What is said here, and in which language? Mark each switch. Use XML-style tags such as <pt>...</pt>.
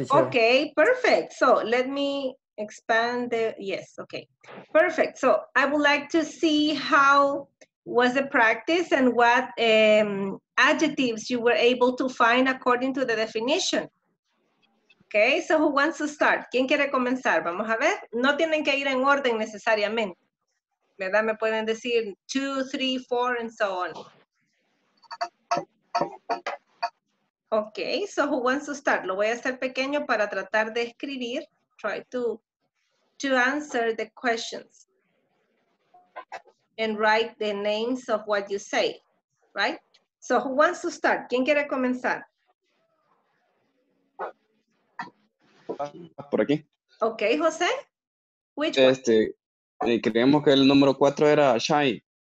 <en>Okay, perfect. So let me expand the, yes, okay. Perfect, so I would like to see how was the practice and what adjectives you were able to find according to the definition. Okay, so who wants to start?</en> <es>¿Quién quiere comenzar? Vamos a ver. No tienen que ir en orden necesariamente, ¿verdad? Me pueden decir 2, 3, 4,</es> <en>and so on. Okay, so who wants to start?</en> <es>Lo voy a hacer pequeño para tratar de escribir.</es> <en>Try to answer the questions. And write the names of what you say, right? So who wants to start?</en> <es>¿Quién quiere comenzar? Por aquí.</es> <en>Okay, José. Which</en> <es>one? Creemos que el número 4 era shy.</es>